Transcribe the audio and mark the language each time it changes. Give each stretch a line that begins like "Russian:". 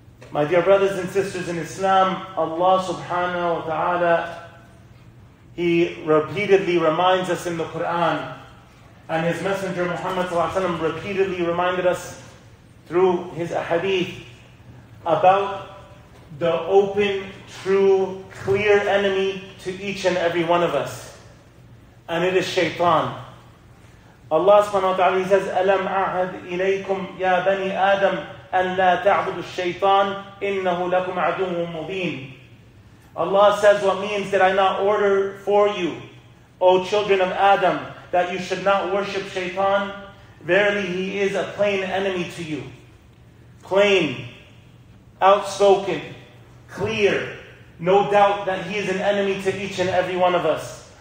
English: My dear brothers and sisters in Islam, Allah subhanahu wa ta'ala, He repeatedly reminds us in the Quran, and His Messenger Muhammad sallallahu alayhi wa sallam repeatedly reminded us through his ahadith about the open, true, clear enemy to each and every one of us. And it is Shaytan. Allah subhanahu wa ta'ala says,
Arabic: أَلَمْ أَعْهَدْ إِلَيْكُمْ يَا بَنِي آدَمْ أَنْ لَا تَعْبُدُ الشَّيْطَانِ إِنَّهُ لَكُمْ عَدُوٌ مُبِينٌ.
English: Allah says, what means, did I not order for you, O children of Adam, that you should not worship Shaytan? Verily he is a plain enemy to you. Plain, outspoken, clear, no doubt that he is an enemy to each and every one of us.